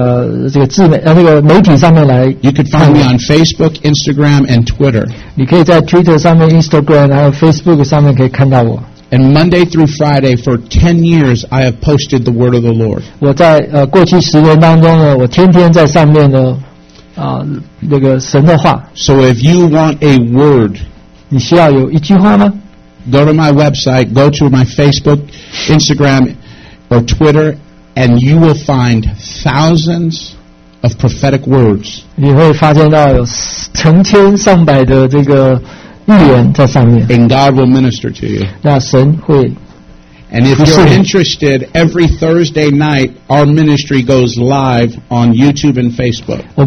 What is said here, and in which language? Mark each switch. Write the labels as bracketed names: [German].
[Chinese] 你们当中可能都没有人在这个媒体上面来。 [English] You can find me on Facebook, Instagram, and Twitter. [Chinese] 你可以在Twitter上面、Instagram还有Facebook上面可以看到我。 [English] And Monday through Friday for 10 years, I have posted the Word of the Lord. [Chinese] 我在过去十年当中呢，我天天在上面呢，那个神的话。 [English] So if you want a word, [Chinese] 你需要有一句话吗？ [English] Go to my website, go to my Facebook, Instagram, or Twitter, and you will find thousands of prophetic words. [Chinese] 你会发现到有成千上百的这个。 [English] And God will minister to you. [Chinese] 那神会, [English] and if you're interested, every Thursday night, our ministry goes live on YouTube and Facebook.